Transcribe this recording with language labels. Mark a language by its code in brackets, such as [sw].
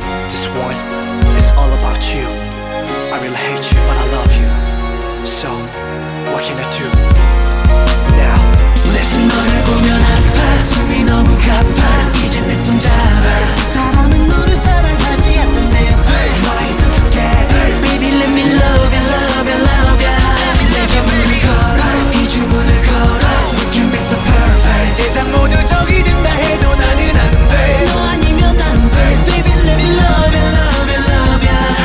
[en] This one is all about you. I really hate you, but I love you. So, what can I do? Now, [ko] listen, 너를 보면 아파. 숨이 너무 가파. 이제 내 손 잡아. 사람은 너를 사랑하지 않는데. [en] Hey, why don't you get hurt? Baby, let me love you, love you, love you. [ko] 내 집을 걸어. 이 주문을 걸어. [en] You can be so perfect. [ko] 세상 모두 적이 된다 해도 나는 안 돼. 너 아니면 안 돼. [en] Baby, let me love you, love you, love you.